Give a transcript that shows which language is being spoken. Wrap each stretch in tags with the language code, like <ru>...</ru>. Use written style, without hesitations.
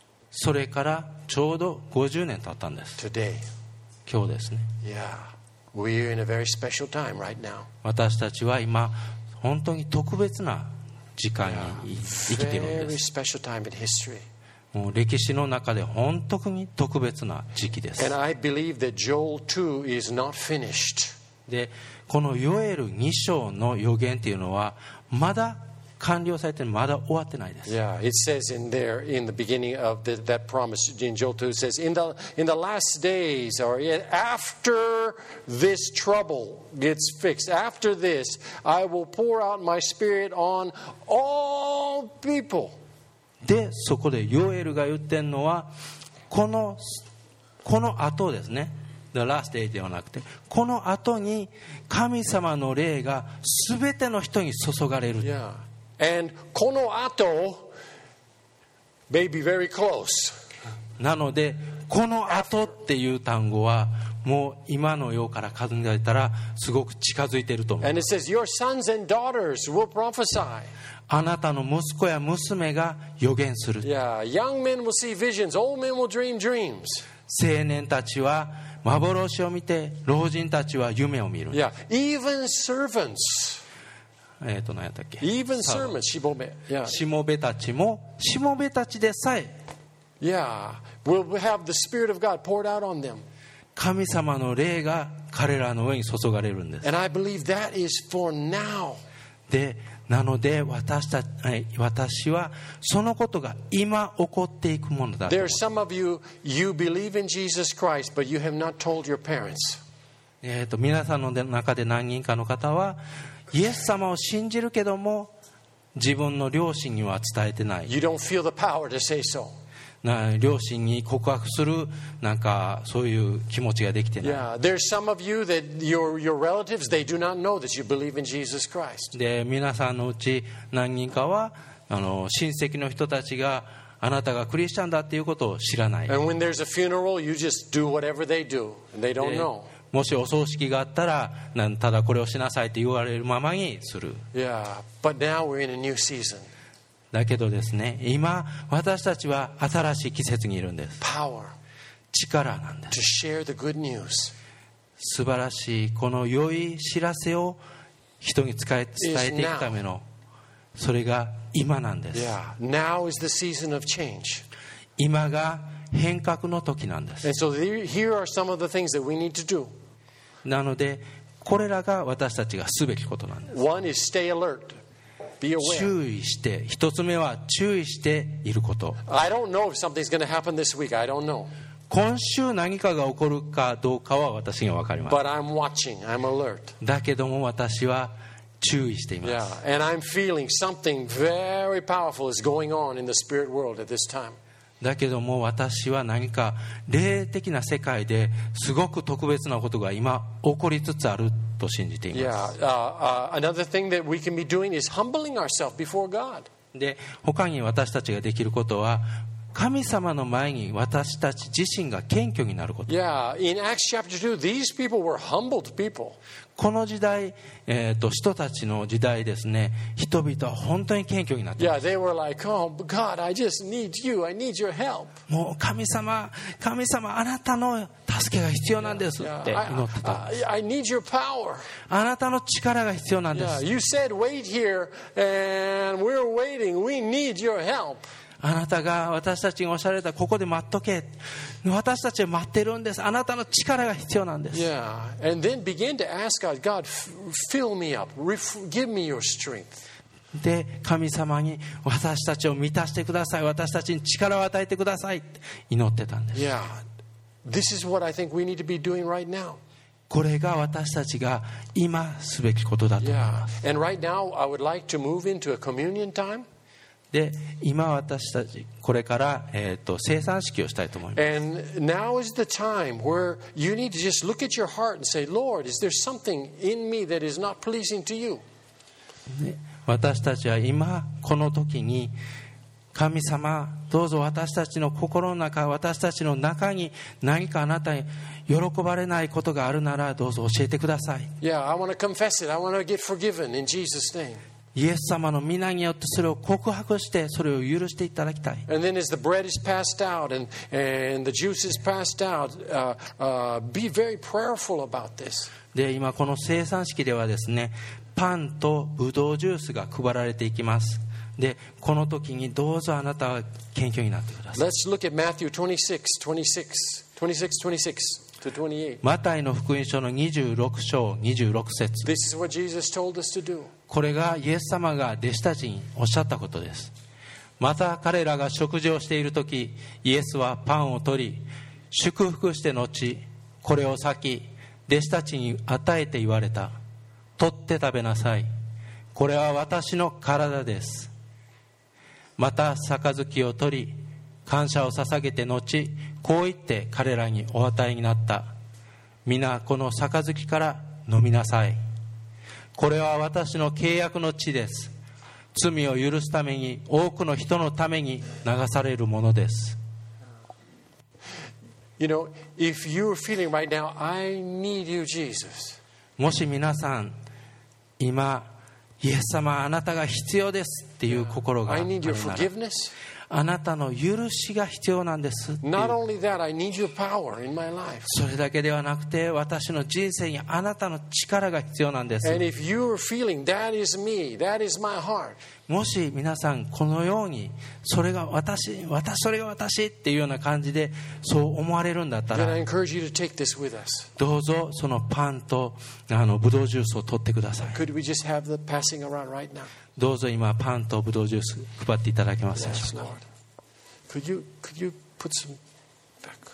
<ja>それからちょうど50年経ったんです。</ja> <en>Today.</en> <ja>今日ですね。</ja> <en>Yeah. We are in a very special time right now.</en> <ja>私たちは今本当に特別な時間に生きているんです。</ja> <en>Very special time in history.</en> <ja>もう歴史の中で本当に特別な時期です。</ja> <en>And I believe that Joel 2 is not finished.</en> <ja>でこのヨエル2章の予言というのはまだ完了されてまだ終わってないです。</ja> <en>Yeah, it says in there in the beginning of the, that promise in Joel 2 says in the last days or after this trouble gets fixed, after this I will pour out my spirit on all people.</en> <ja>でそこでヨエルが言ってるのはこの後ですね。</ja> <en>The last day</en> <ja>ではなくてこの後に神様の霊が全ての人に注がれる。</ja> <en>Yeah. And</en> <ja>この後</ja> <en>maybe very close.</en> <ja>なのでこの後っていう単語はもう今の世から数えたらすごく近づいていると思います。</ja> <en>And it says your sons and daughters will prophesy.</en> <ja>あなたの息子や娘が予言する。</ja> <en>Yeah. Young men will see visions. Old men will dream dreams.</en> <ja>青年たちは幻を見て老人たちは夢を見る。</ja> <en>Yeah, even servants.</en> <ja>何やったっけ</ja> <en>Even servants,</en> <ja>しもべ。</ja> <en>Yeah.</en> <ja>しもべたちも、しもべたちでさえ。</ja> <en>Yeah, we'll have the Spirit of God poured out on them.</en> <ja>神様の霊が彼らの上に注がれるんです。</ja> <en>And I believe that is for now.</en> <ja>で、なので私はそのことが今起こっていくものだと。</ja> <en>There are some of you, you believe in Jesus Christ, but you have not told your parents.</en> <ja>皆さんの中で何人かの方は、イエス様を信じるけども、自分の両親には伝えてない。</ja> <en>You don't feel the power to say so.</en> <ja>両親に告白する、なんかそういう気持ちができてない。</ja> <en>Yeah, there are some of you that your relatives, they do not know that you believe in Jesus Christ.</en> <ja>で、皆さんのうち何人かは、親戚の人たちがあなたがクリスチャンだっていうことを知らない。</ja> <en>And when there's a funeral, you just do whatever they do, and they don't know.</en> <ja>もしお葬式があったら、ただこれをしなさいって言われるままにする。</ja> <en>Yeah, but now we're in a new season.</en> <ja>だけどですね、今私たちは新しい季節にいるんです。</ja> <en>Power</en> <ja>力なんです。</ja> <en>To share the good news.</en> <ja>素晴らしいこの良い知らせを人に伝えていくためのそれが今なんです。</ja> <en>Yeah. Now is the season of change.</en> <ja>今が変革の時なんです。</ja> <en>And so here are some of the things that we need to do.</en> <ja>なのでこれらが私たちがすべきことなんです。</ja> <en>One is stay alert.</en> <ja>注意して一つ目は注意していること。</ja> <en>I don't know if something's going to happen this week. I don't know.</en> <ja>今週何かが起こるかどうかは私には分かりません。</ja> <en>But I'm watching. I'm alert.</en> <ja>だけども私は注意しています。</ja> <en>Yeah. And I'm feeling something very powerful is going on in the spirit world at this time.</en> <ja>だけども私は何か霊的な世界ですごく特別なことが今起こりつつあると信じています。</ja> <en>Yeah, another thing that we can be doing is humbling ourselves before God.</en> <ja>で、他に私たちができることは、神様の前に私たち自身が謙虚になること。</ja> <en>Yeah, in Acts chapter 2, these people were humbled people.</en> <ja>この時代、人たちの時代ですね、人々は本当に謙虚になって。</ja> <en>Yeah, they were like, oh, God, I just need you. I need your help.</en> <ja>もう神様、あなたの助けが必要なんですって祈ってた。</ja> <en>I need your power.</en> <ja>あなたの力が必要なんです。</ja> <en>Yeah, you said wait here, and we're waiting. We need your help.</en> <ja>あなたが私たちにおっしゃられたここで待っとけ。私たちは待ってるんです。あなたの力が必要なんです。</ja> <en>Yeah. And then begin to ask God, God, fill me up. Give me your strength.</en> <ja>で、神様に私たちを満たしてください。私たちに力を与えてください。祈ってたんです。</ja> <en>Yeah. This is what I think we need to be doing right now.</en> <ja>これが私たちが今すべきことだと思います。</ja> <en>Yeah. And right now, I would like to move into a communion time.</en> <ja>で今私たちこれから、生産式をしたいと思います。</ja> <en>And now is the time where you need to just look at your heart and say, Lord, is there something in me that is not pleasing to you?</en> <ja>私たちは今この時に神様どうぞ私たちの心の中私たちの中に何かあなたに喜ばれないことがあるならどうぞ教えてください。</ja> <en>Yeah, I want to confess it. I want to get forgiven in Jesus' name.</en> <ja>イエス様の御名によってそれを告白してそれを許していただきたい。</ja> <en>And then as the bread is passed out and the juice is passed out, be very prayerful about this.</en> <ja>で今この聖餐式ではですねパンとブドウジュースが配られていきます。でこの時にどうぞあなたは謙虚になってください。</ja> <en>Let's look at Matthew 26:26-28.</en> <ja>マタイの福音書の26章26節。</ja> <en>This is what Jesus told us to do.</en> <ja>これがイエス様が弟子たちにおっしゃったことです。また彼らが食事をしている時イエスはパンを取り祝福して後これを先弟子たちに与えて言われた。取って食べなさい。これは私の体です。また杯を取り、感謝を捧げて後、こう言って彼らにお与えになった。みなこの杯から飲みなさい。これは私の契約の血です。罪を許すために、多くの人のために流されるものです。</ja> <en>You know, if you're feeling right now, I need you, Jesus.</en> <ja>もし皆さん今イエス様あなたが必要ですっていう心があるなら、</ja> <en>yeah.</en> <ja>あなたの許しが必要なんですっていう</ja> <en>that,</en> <ja>それだけではなくて私の人生にあなたの力が必要なんです。</ja> <en>feeling, that is my heart.</en> <ja>もし皆さんこのようにそれが私それが私っていうような感じでそう思われるんだったらどうぞそのパンとブドウジュースを取ってください。</ja> <en>Could we just have the passing around right now?</en> <ja>どうぞ今パンとブドウジュース配っていただけますでしょうか。</ja> <en>could you put some back?</en>